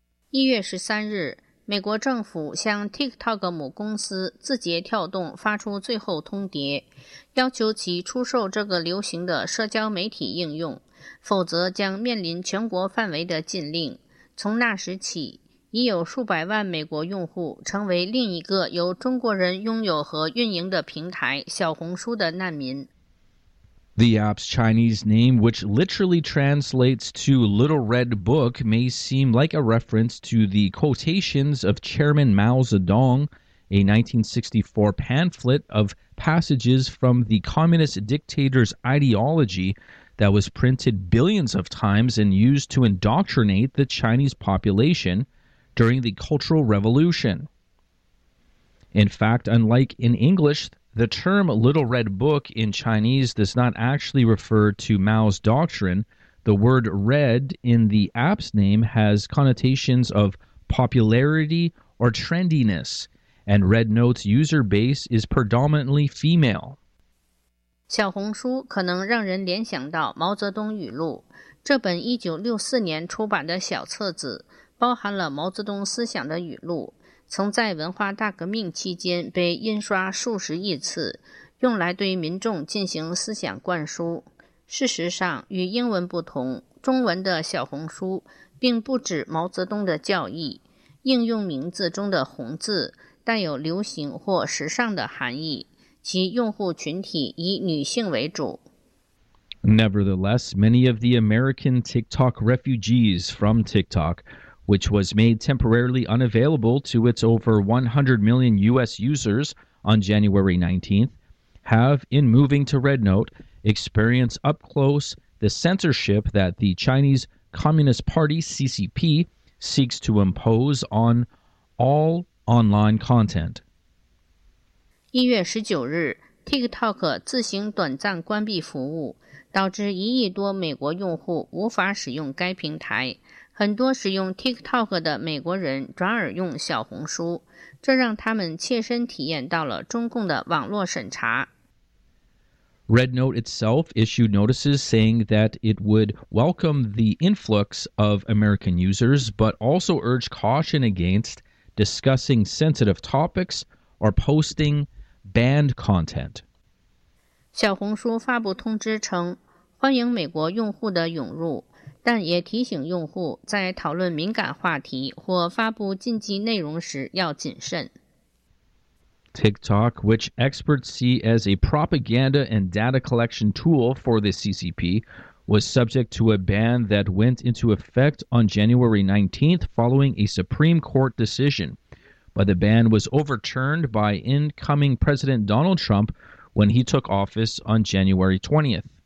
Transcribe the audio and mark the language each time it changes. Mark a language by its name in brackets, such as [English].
[Chinese] 1月13日，美国政府向 TikTok 母公司字节跳动发出最后通牒，要求其出售这个流行的社交媒体应用，否则将面临全国范围的禁令。从那时起，已有数百万美国用户成为另一个由中国人拥有和运营的平台小红书的难民。 [English] The app's Chinese name, which literally translates to Little Red Book, may seem like a reference to the quotations of Chairman Mao Zedong, a 1964 pamphlet of passages from the communist dictator's ideology that was printed billions of times and used to indoctrinate the Chinese population during the Cultural Revolution. In fact, unlike in English,The term Little Red Book in Chinese does not actually refer to Mao's doctrine. The word red in the app's name has connotations of popularity or trendiness, and Red Note's user base is predominantly female. [Chinese] 小红书可能让人联想到毛泽东语录。这本1964年出版的小册子包含了毛泽东思想的语录。曾在文化大革命期间被印刷数十亿次，用来对民众进行思想灌输。事实上，与英文不同，中文的小红书并不指毛泽东的教义。应用名字中的红字带有流行或时尚的含义，其用户群体以女性为主。 [English] Nevertheless, many of the American TikTok refugees from TikTok,which was made temporarily unavailable to its over 100 million U.S. users on January 19th, have, in moving to Red Note, experienced up close the censorship that the Chinese Communist Party, CCP, seeks to impose on all online content. [Chinese] 1月19日 ,TikTok 自行短暂关闭服务,导致1亿多美国用户无法使用该平台。很多使用 TikTok 的美国人转而用小红书，这让他们切身体验到了中共的网络审查。 [English] Red Note itself issued notices saying that it would welcome the influx of American users, but also urged caution against discussing sensitive topics or posting banned content. [Chinese] 小红书发布通知称，欢迎美国用户的涌入。但也提醒用户在讨论敏感话题或发布禁忌内容时要谨慎。 [English] TikTok, which experts see as a propaganda and data collection tool for the CCP, was subject to a ban that went into effect on January 19th following a Supreme Court decision. But the ban was overturned by incoming President Donald Trump when he took office on January 20th.